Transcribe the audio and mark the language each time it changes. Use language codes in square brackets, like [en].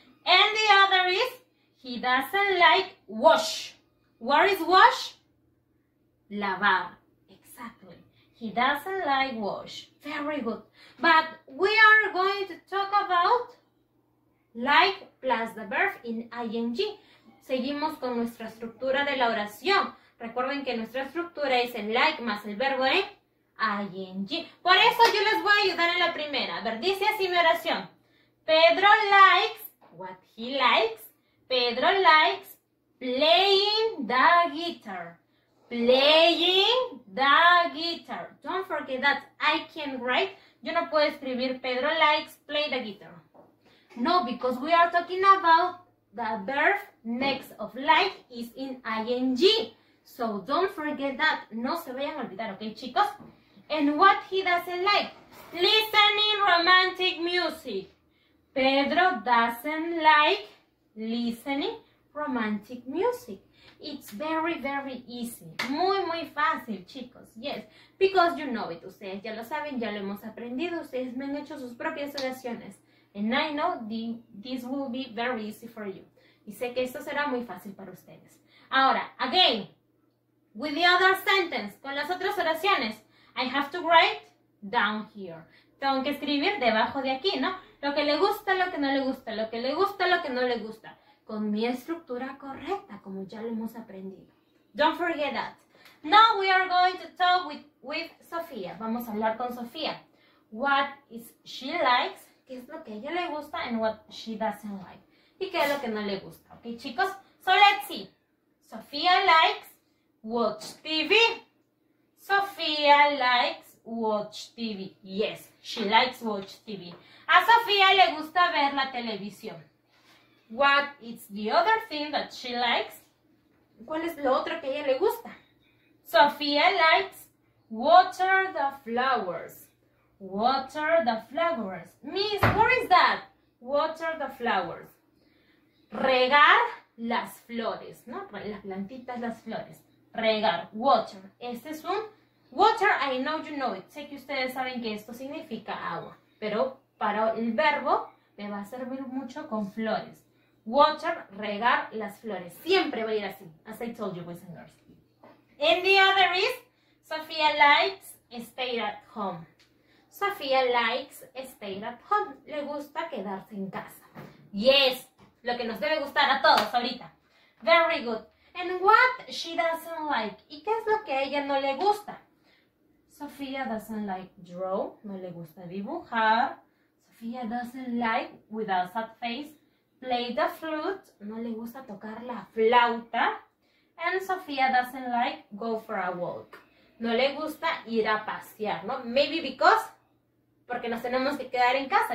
[en] And the other is, he doesn't like wash. What is wash? [es] Lavar. [en] Exactly. He doesn't like wash. Very good. But we are going to talk about like plus the verb in ing. [es] Seguimos con nuestra estructura de la oración. Recuerden que nuestra estructura es el like más el verbo en ing. Por eso yo les voy a ayudar en la primera. A ver, dice así mi oración. [en] Pedro likes, what he likes, Pedro likes playing the guitar. Playing the guitar. Don't forget that I can't write. [es] Yo no puedo escribir [en] Pedro likes play the guitar. No, because we are talking about the verb next of like is in ing. So don't forget that. [es] No se vayan a olvidar, ¿ok, chicos? [en] And what he doesn't like? Listening romantic music. Pedro doesn't like listening romantic music. It's very, very easy. [es] Muy, muy fácil, chicos. [en] Yes, because you know it. [es] Ustedes ya lo saben, ya lo hemos aprendido. Ustedes me han hecho sus propias oraciones. [en] And I know this will be very easy for you. [es] Y sé que esto será muy fácil para ustedes. Ahora, [en] again, with the other sentence, [es] con las otras oraciones, [en] I have to write down here. [es] Tengo que escribir debajo de aquí, ¿no? Lo que le gusta, lo que no le gusta. Lo que le gusta, lo que no le gusta. Con mi estructura correcta, como ya lo hemos aprendido. [en] Don't forget that. Now we are going to talk with Sofía. [es] Vamos a hablar con Sofía. [en] What is she likes? [es] ¿Qué es lo que ella le gusta? [en] And what she doesn't like. [es] ¿Y qué es lo que no le gusta? ¿Ok, chicos? [en] So let's see. Sofía likes watch TV. Sofía likes watch TV. Yes, she likes watch TV. [es] A Sofía le gusta ver la televisión. [en] What is the other thing that she likes? [es] ¿Cuál es lo otro que a ella le gusta? [en] Sofía likes water the flowers. Water the flowers. Miss, what is that? Water the flowers. [es] regar las flores, ¿no? Las plantitas, las flores. Regar, water. Este es un water, [en] I know you know it. [es] Sé que ustedes saben que esto significa agua, pero para el verbo me va a servir mucho con flores. Water, regar las flores. Siempre va a ir así, [en] as I told you, boys and girls. And the other is, Sofía likes stay at home. Sofía likes stay at home. [es] Le gusta quedarse en casa. [en] Yes, [es] lo que nos debe gustar a todos ahorita. [en] Very good. And what she doesn't like? [es] ¿Y qué es lo que a ella no le gusta? [en] Sofía doesn't like draw. [es] No le gusta dibujar. [en] Sofía doesn't like, with a sad face, play the flute. [es] No le gusta tocar la flauta. [en] And Sofía doesn't like go for a walk. [es] No le gusta ir a pasear, ¿no? [en] Maybe because, [es] porque nos tenemos que quedar en casa.